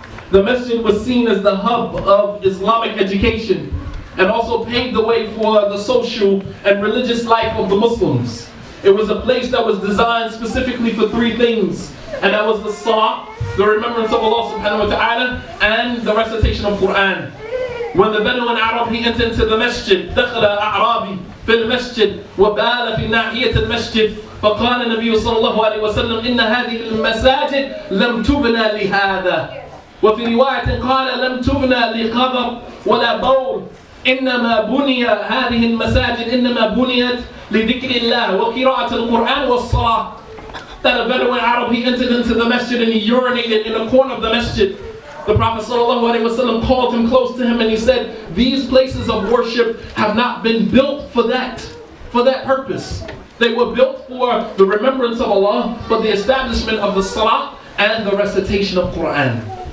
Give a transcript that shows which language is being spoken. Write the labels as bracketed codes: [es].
[en] The masjid was seen as the hub of Islamic education and also paved the way for the social and religious life of the Muslims. It was a place that was designed specifically for three things, and that was the salah, the remembrance of Allah subhanahu wa ta'ala, and the recitation of Quran. When the Bedouin Arabi entered into the masjid, [ar] دَخَلَ أَعْرَابِي فِي الْمَسْجِدِ وَبَالَ فِي نَاحِيَةِ الْمَسْجِدِ فَقَالَ النَّبِيُّ صَلَّى اللَّهُ عَلَيْهِ وَسَلَّمَ إِنَّ هَذِهِ الْمَسَاجِدَ لَمْ تُبْنَى لِهَذَا وَفِي رِوَايَةٍ قَالَ لَمْ تُبْنَى لِقَبَرٍ وَلَا بَوْلٍ إِنَّمَا بُنِيَ هَذِهِ الْمَسَاجِدُ إِنَّمَا بُنِيَتْ لِذِكْرِ اللَّهِ وَقِرَاءَةِ الْقُرْآنِ وَالصَّلَاةِ. [en] That a Bedouin Arab, he entered into the masjid and he urinated in the corner of the masjid. The Prophet sallallahu alaihi wasallam called him close to him and he said, these places of worship have not been built for that purpose. They were built for the remembrance of Allah, for the establishment of the salah and the recitation of Quran.